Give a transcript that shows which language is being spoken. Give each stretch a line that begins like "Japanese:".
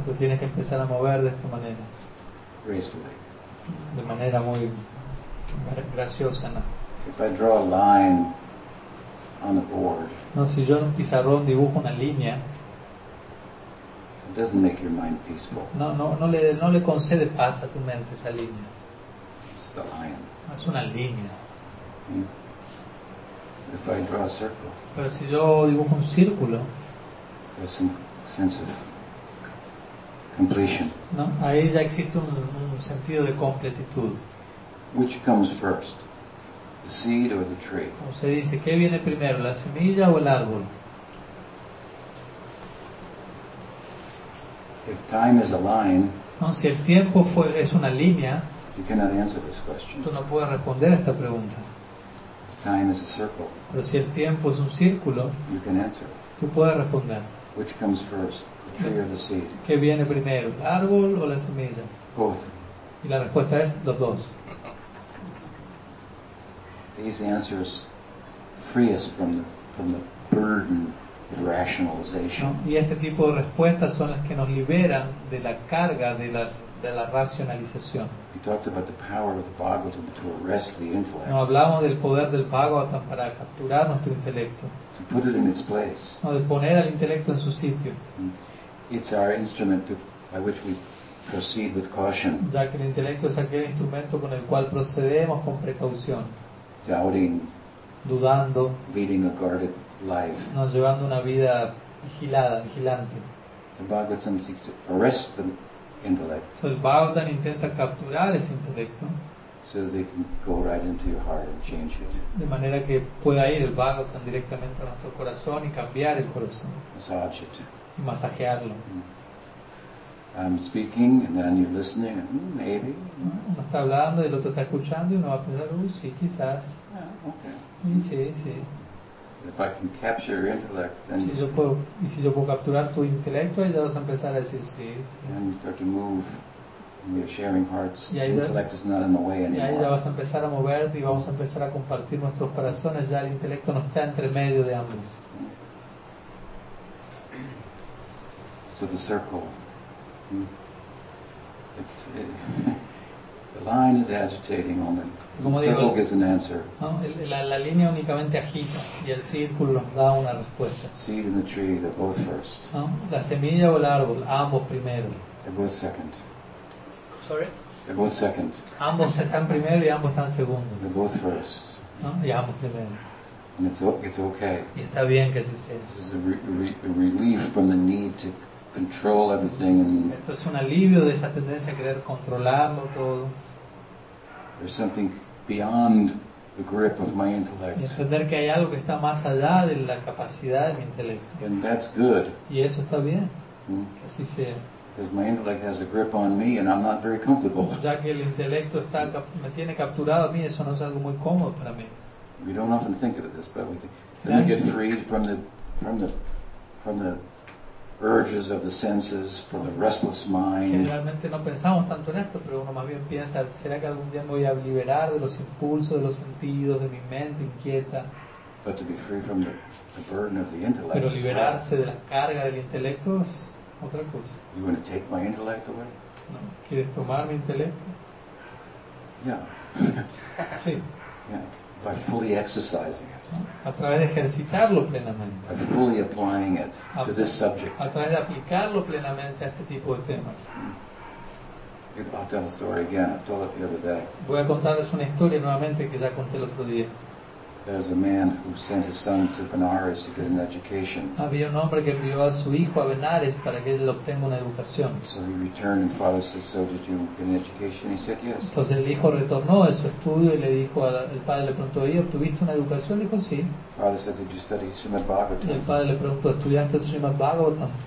Spanish: Te tienes que empezar a mover de esta manera.
English: Gracefully.
Spanish: De manera muy graciosa, ¿no?
English: If I draw a line on the board.
Spanish: No, si yo en un pizarrón dibujo una línea,
English: it doesn't make your mind peaceful.
Spanish: No le concede paz a tu mente esa línea.
English: Just a line.
Spanish: Es una línea.
English: Mm. If I draw a circle.
Spanish: Pero si yo dibujo un círculo,
English: there's some sense of completion.
Spanish: No, ahí ya existe un sentido de completitud.
English: Which comes first? The seed or the tree.
Spanish: Como se dice, ¿qué viene primero, la semilla o el árbol?
English: If time is a line,
Spanish: no, si el tiempo es una línea,
English: you cannot answer this question.
Spanish: Tú no puedes responder a esta pregunta.
English: If time is a circle,
Spanish: pero si el tiempo es un círculo,
English: you can answer.
Spanish: Tú puedes responder.
English: Which comes first, the tree or the seed?
Spanish: ¿Qué viene primero, el árbol o la semilla?
English: Both.
Spanish: Y la respuesta es los dos.
English: These answers free us from the burden of rationalization.
Spanish: Y este tipo de respuestas son las que nos liberan de la carga de la racionalización.
English: We talked about the power of the Bhagavatam to arrest the intellect.
Spanish: No hablamos del poder del Bhagavatam para capturar nuestro intelecto.
English: To put it in its place.
Spanish: No, de poner al intelecto en su sitio.
English: It's our instrument to, by which we proceed with caution.
Spanish: Ya que el intelecto es aquel instrumento con el cual procedemos con precaución.
English: Doubting.
Spanish: Dudando.
English: Leading a guarded life.
Spanish: No, llevando una vida vigilada, vigilante.
English: The Bhagavatam seeks to arrest the intellect.
Spanish: So el Bhagavatam intenta capturar ese intelecto.
English: So that they can go right into your heart and change it.
Spanish: De manera que pueda ir el Bhagavatam directamente a nuestro corazón y cambiar el corazón.
English: Massage it.
Spanish: Y masajearlo. Mm.
English: I'm speaking and then you're listening and maybe.
Spanish: No, uno está hablando y el otro está escuchando y uno va a pensar, sí, quizás.
English: Yeah, okay.
Spanish: Y sí, sí.
English: If I can capture your intellect, then
Spanish: si yo puedo, y si yo puedo capturar tu intelecto, ahí ya vas a empezar a decir sí, sí.
English: And you start to move. And we are sharing hearts. Intellect is not in the way anymore.
Spanish: Y ahí ya vas a empezar a moverte y vamos a empezar a compartir nuestros corazones. Ya el intelecto no está entre medio de ambos.
English: So the circle. It's the line is agitating only.
Spanish: Como
English: the circle
Spanish: digo,
English: gives an answer.
Spanish: No, la línea únicamente agita y el círculo da una respuesta.
English: Seed and the tree, they're both first.
Spanish: No, la semilla o el árbol, ambos primero.
English: They're both second. Sorry. They're both second.
Spanish: Ambos están primero y ambos están segundo.
English: They're both first.
Spanish: No, y ambos primero.
English: And it's okay.
Spanish: Y está bien que se sea.
English: This is a relief from the need to control everything.
Spanish: Esto es un alivio de esa tendencia a querer controlarlo todo.
English: There's something beyond the grip of my intellect.
Spanish: Y entender que hay algo que está más allá de la capacidad de mi intelecto.
English: And that's good.
Spanish: Y eso está bien. Que así sea.
English: Because my intellect has a grip on me, and I'm not very comfortable.
Spanish: Ya que el intelecto está me tiene capturado a mí, eso no es algo muy cómodo para mí.
English: We don't often think of this, but we think, can I get freed from the urges of the senses, from the restless mind.
Spanish: Generalmente no pensamos tanto en esto, pero uno más bien piensa, ¿será que algún día me voy a liberar de los impulsos, de los sentidos, de mi mente inquieta?
English: But to be free from the burden of the intellect.
Spanish: Pero liberarse de la carga del intelecto es otra cosa.
English: You want to take my intellect away?
Spanish: No. ¿Quieres tomar mi intelecto?
English: Yeah.
Spanish: Sí.
English: Yeah. By fully exercising it.
Spanish: A través de ejercitarlo plenamente.
English: By fully applying it to this subject.
Spanish: A través de aplicarlo plenamente a este tipo de temas.
English: I'll tell a story again. I've told it the other day.
Spanish: Voy a contarles una historia nuevamente que ya conté el otro día.
English: There's a man who sent his son to Benares to get an education.
Spanish: Había un hombre que envió a su hijo a Benares para que él obtenga una educación.
English: So he returned and father says, so did you get an education? He said, yes.
Spanish: Entonces el hijo retornó de su estudio y le dijo al padre, le preguntó, ¿y obtuviste una educación? Dijo, sí.
English: Father said, did you study Srimad Bhagavatam?
Spanish: Y el padre le preguntó, ¿estudiaste Srimad Bhagavatam?